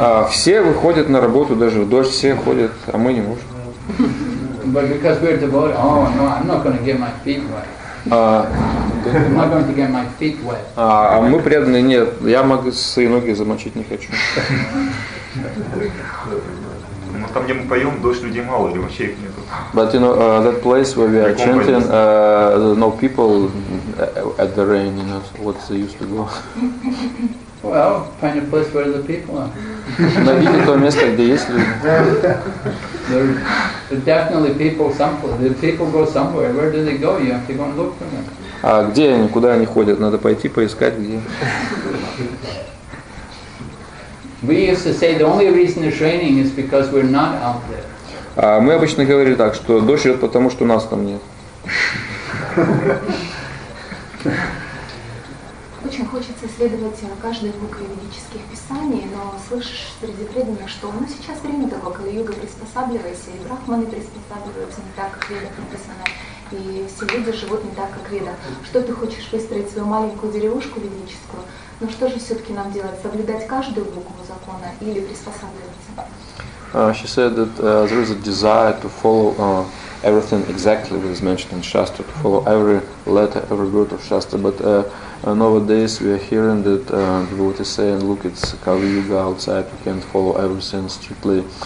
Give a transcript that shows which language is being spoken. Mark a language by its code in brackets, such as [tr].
[ru] Все выходят на работу, даже в дождь все ходят, а мы не можем. [en] But because we're devoted, I'm not going to get my feet wet. I'm not going to get my feet wet. [ru] А мы преданные, нет, я могу свои ноги замочить не хочу. Но там, где мы поем, дождь людей мало, или вообще их нету. [en] But you know, that place where we are chanting, no people at the rain, you know, what's the use to go? Well, find a place where the people are. [ru] Найдите то место, где есть люди. [en] There are definitely people somewhere. The people go somewhere. Where do they go? You have to go and look for them. [ru] А где они, куда они ходят? Надо пойти поискать, где. [en] We used to say the only reason it's raining is because we're not out there. [ru] Мы обычно говорили так, что дождь идет потому, что нас там нет. Очень хочется следовать каждой букве ведических писаний, но слышишь среди преданных, что ну, сейчас время такое, когда йога приспосабливается, и брахманы приспосабливаются не так, как веда написана, и все люди живут не так, как веда. Что ты хочешь выстроить свою маленькую деревушку ведическую? Но что же все-таки нам делать? Соблюдать каждую букву закона или приспосабливаться? [en] She said that there is a desire to follow everything exactly what is mentioned in Shastra, to follow every letter, every word of Shastra. But nowadays we are hearing that devotees say, and look, it's Kali Yuga outside, we can't follow everything strictly.